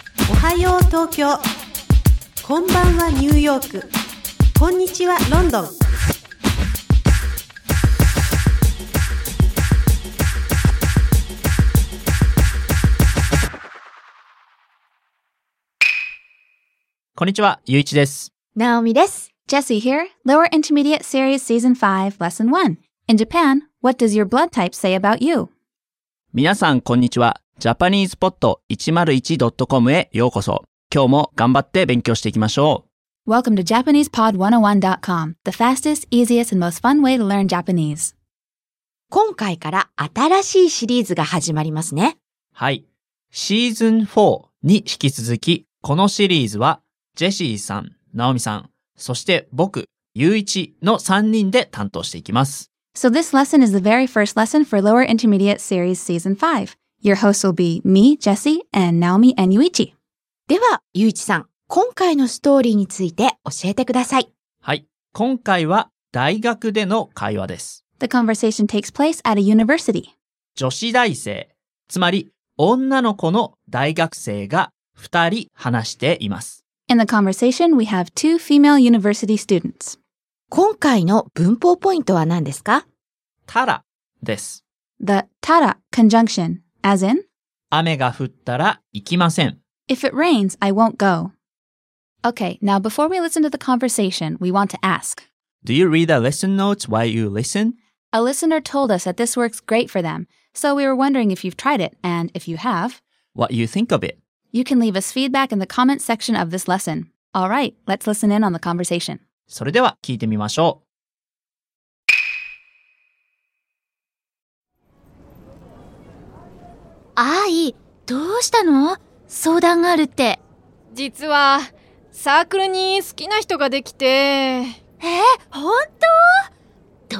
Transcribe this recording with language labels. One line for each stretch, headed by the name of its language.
Japanese: おはよう東京、こんばんはニューヨーク、こんにちはロンドン。こんにちは、ゆういちです。ナオミです。
English: Jessie here. Lower Intermediate Series Season 5 Lesson 1. In Japan, what does your blood type say about you?
Japanese: 皆さんこんにちは、 JapanesePod101.com へようこそ。今日も頑張って勉強していきましょう。
English: Welcome to JapanesePod101.com. The fastest, easiest, and most fun way to learn Japanese.
Japanese: 今回から新しいシリーズが始まりますね。はい、 Season 4に引き続き、このシリーズはジェシーさん、ナオミさん、そして僕、ユウイチの3人で担当していきます。
English: So this lesson is the very first lesson for Lower Intermediate Series Season 5. Your hosts will be me, Jessie, and Naomi and Yuichi.
Japanese: では、ユウイチさん、今回のストーリーについて教えてください。はい、今回は大学での会話です。
English: The conversation takes place at a university.
Japanese: 女子大生、つまり女の子の大学生が2人話しています。
English: In the conversation, we have two female university students.
Japanese: 今回の文法ポイントは何ですか？ただです。
English: The ただ conjunction, as in?
Japanese: 雨が降ったら行きません。
English: If it rains, I won't go. Okay, now before we listen to the conversation, we want to ask. Do you read the lesson notes while you listen? A listener told us that this works great for them, so we were wondering if you've tried it, and if you have, what you think of it? You can leave us feedback in the comments section of this lesson. All right, let's listen in on the conversation.
Japanese: それでは聞いてみましょう。アイ、どうしたの？相談があるって。実は、サークルに好きな人ができて。え、本当？